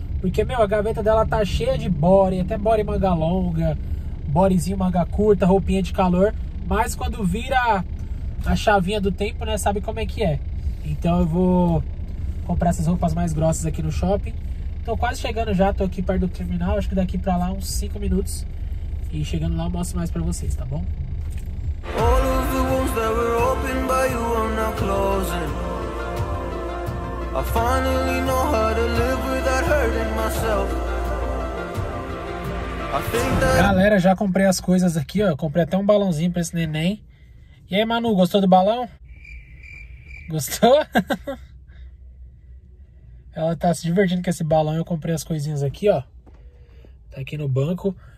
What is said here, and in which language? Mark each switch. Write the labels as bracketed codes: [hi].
[pt] Porque, meu, a gaveta dela tá cheia de body, até body manga longa, bodyzinho manga curta, roupinha de calor. Mas quando vira a chavinha do tempo, né, sabe como é que é. Então eu vou comprar essas roupas mais grossas aqui no shopping. Tô quase chegando já, tô aqui perto do terminal, acho que daqui pra lá uns 5 minutos. E chegando lá eu mostro mais pra vocês, tá bom? [en] All of the wounds that were opened by you are now closing. I finally know how to live without hurting myself. [pt] Galera, já comprei as coisas aqui, ó. Eu comprei até um balãozinho pra esse neném. E aí, Manu, gostou do balão? Gostou? Ela tá se divertindo com esse balão. Eu comprei as coisinhas aqui, ó. Tá aqui no banco.